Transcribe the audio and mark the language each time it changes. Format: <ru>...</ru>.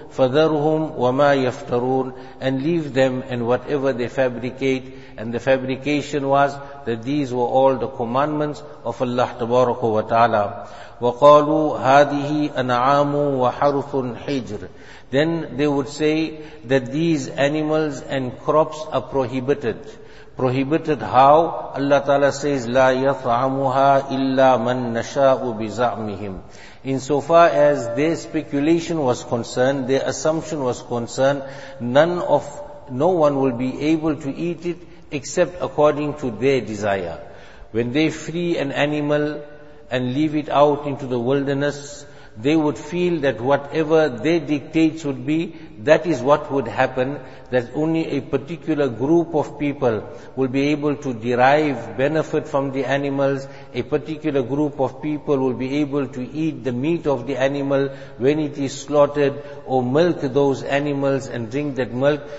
<ar>فَذَرْهُمْ وَمَا يَفْتَرُونَ,</ar> <en>and leave them and whatever they fabricate. And the fabrication was that these were all the commandments of Allah tabaraka wa ta'ala.</en> <ar>وَقَالُوا هَذِهِ أَنْعَامُ وَحَرُثٌ حِجْرٌ.</ar> <en>Then they would say that these animals and crops are prohibited. Prohibited how?</en> <ar>Allah ta'ala says, لَا يَطْعَمُهَا إِلَّا مَنْ نَشَاءُ بِزَعْمِهِمْ.</ar> <en>Insofar as their speculation was concerned, their assumption was concerned, no one will be able to eat it except according to their desire. When they free an animal and leave it out into the wilderness, they would feel that whatever their dictates would be, that is what would happen, that only a particular group of people will be able to derive benefit from the animals, a particular group of people will be able to eat the meat of the animal when it is slaughtered, or milk those animals and drink that milk.</en>